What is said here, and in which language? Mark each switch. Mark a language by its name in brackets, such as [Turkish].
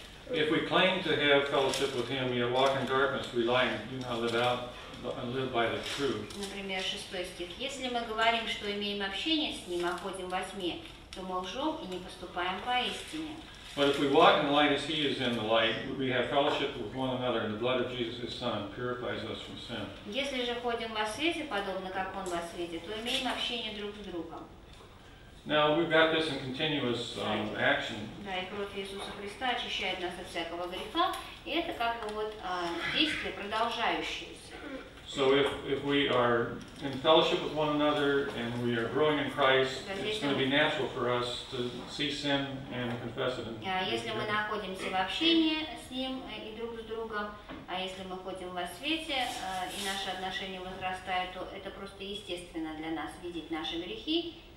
[English] If we claim to have fellowship with him, yet walk in darkness, we lie and do not live out and live by the truth. [Russian] Например, шестой стих. Если мы говорим, что имеем общение с ним, а ходим во тьме, то мы лжем и не поступаем поистине. [English] But if we walk in the light as he is in the light, we have fellowship with one another, and the blood of Jesus, his son, purifies us from sin. [Russian] Если же ходим во свете, подобно как он во свете, то имеем общение друг с другом. [English] Now we've got this in continuous action. [Russian] Да, и кровь Иисуса Христа очищает нас от всякого греха, и это как бы вот действие продолжающееся. [English] So if we are in fellowship with one another and we are growing in Christ, it's going to be natural for us to see sin and confess it. [Russian] А если мы находимся в общении с ним и друг с другом, а если мы ходим во свете и наши отношения возрастают, то это просто естественно для нас видеть наши грехи.